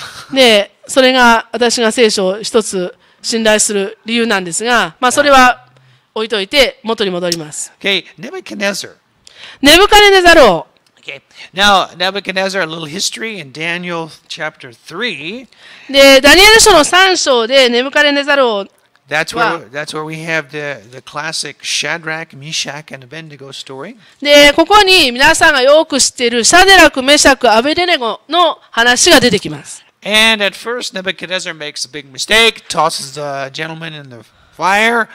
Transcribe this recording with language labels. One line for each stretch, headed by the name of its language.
Japanese: で、それが私が聖書を一つ信頼する理由なんですが、まあ、それは置いといて元に戻ります。ネブカデネザル王。
English: Okay. Now, Nebuchadnezzar, a little history in Daniel chapter 3.
Japanese: で、ダニエル書の3章で、ネブカデネザル王。
English: That's where we have the classic Shadrach, Meshach, and Abednego story.
Japanese: で、ここに皆さんがよく知っているシャデラク、メシャク、アベデネゴの話が出てきます。
English: And at first, Nebuchadnezzar makes a big mistake, tosses the gentleman in the fire.